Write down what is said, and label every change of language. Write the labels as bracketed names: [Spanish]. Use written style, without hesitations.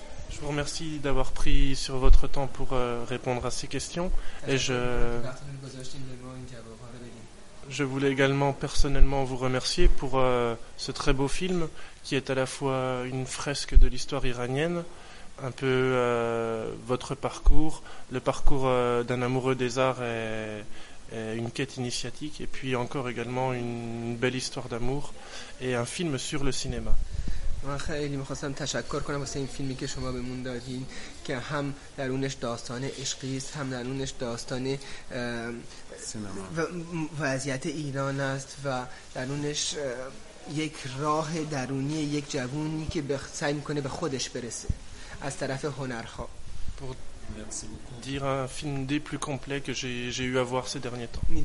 [French] Je vous remercie d'avoir pris sur votre temps pour répondre à ces questions et je voulais également personnellement vous remercier pour ce très beau film qui est à la fois une fresque de l'histoire iranienne. Un peu votre parcours, le parcours d'un amoureux des arts et une quête initiatique, et puis encore également une belle histoire d'amour et un film sur le cinéma. [Persian] خیلی می‌خواستم تشکر کنم واسه این فیلمی که شما بهمون دادین که هم درونش داستان عشقی است هم درونش داستان سینما و وضعیت ایران است و درونش یک راه درونی یک جوونی که سعی می‌کنه به خودش برسه. [French] Pour dire un film des plus complets que j'ai eu à voir ces derniers temps.